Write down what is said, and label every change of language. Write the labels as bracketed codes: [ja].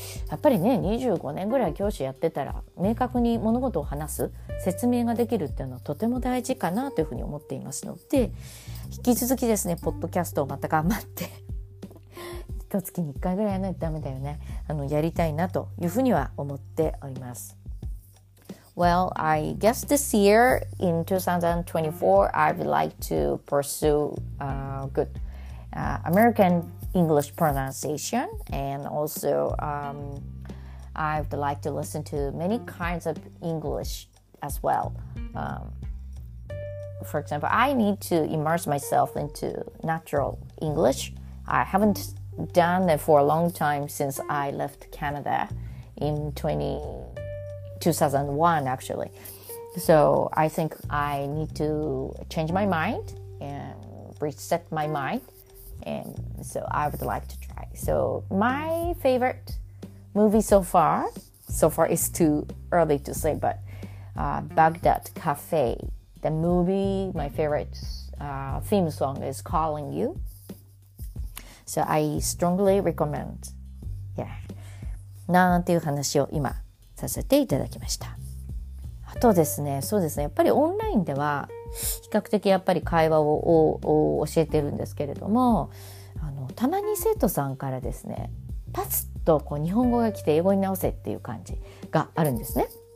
[ja] やっぱりね、25年ぐらい教師やってたら明確に物事を話す、説明ができるっていうのはとても大事かなというふうに思っていますので、引き続きですねポッドキャストをまた頑張って一月に1回ぐらいやらないとダメだよね、やりたいなというふうには思っております。 [en] Well, I guess this year in 2024, I would like to pursue good American English pronunciation, and also I would like to listen to many kinds of English as well. For example, I need to immerse myself into natural English. I haven't done it for a long time since I left Canada in 2001 actually. So I think I need to change my mind and reset my mind, and so I would like to try. So my favorite movie so far it's too early to say, but Baghdad Cafe, the movie, my favorite theme song is Calling You. So I strongly recommend. Yeah. [ja] なんていう話を今させていただきました。あとですね、そうですね、やっぱりオンラインでは比較的やっぱり会話 を教えてるんですけれども、たまに生徒さんからですね、パツッとこう日本語が来て英語に直せっていう感じがあるんですね。